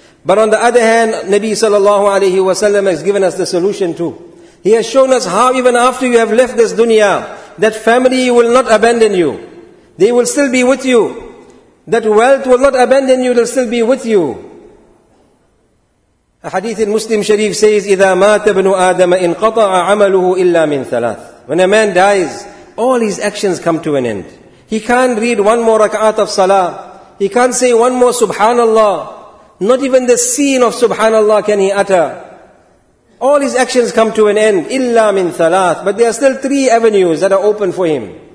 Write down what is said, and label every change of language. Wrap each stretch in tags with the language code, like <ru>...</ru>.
<en>But on the other hand, Nabi sallallahu alayhi wa sallam has given us the solution too. He has shown us how even after you have left this dunya, that family will not abandon you. They will still be with you. That wealth will not abandon you, they'll still be with you. A hadith in Muslim Sharif says,</en> <ar>إِذَا مَاتَ بْنُ آدَمَ إِنْقَطَعَ عَمَلُهُ إِلَّا مِنْ ثَلَاثٍ.</ar> <en>When a man dies, all his actions come to an end. He can't read one more rak'at of salah. He can't say one more subhanallah. Not even the scene of subhanallah can he utter. All his actions come to an end.</en> <ar>إِلَّا مِنْ ثَلَاثٍ.</ar> <en>But there are still three avenues that are open for him.</en>